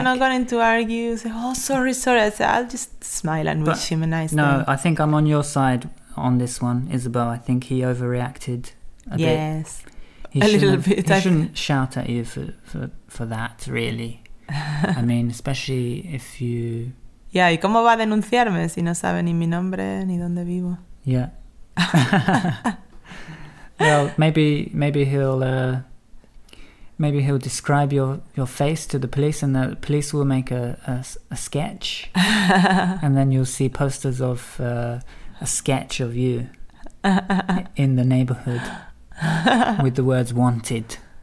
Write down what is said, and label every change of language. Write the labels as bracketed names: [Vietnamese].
[English] I'm not going to argue. Say, "Oh, sorry, sorry." I said, "I'll just smile and wish him a nice day." No, I think I'm on your side on this one, Isabel. I think he overreacted a bit. Yes, a little bit. He shouldn't shout at you for that, really. I mean, especially if you... [Spanish] Yeah, ¿y cómo va a denunciarme si no sabe ni mi nombre ni dónde vivo? [English] Yeah. Well, maybe he'll describe your face to the police, and the police will make a sketch, and then you'll see posters of a sketch of you in the neighborhood with the words "wanted."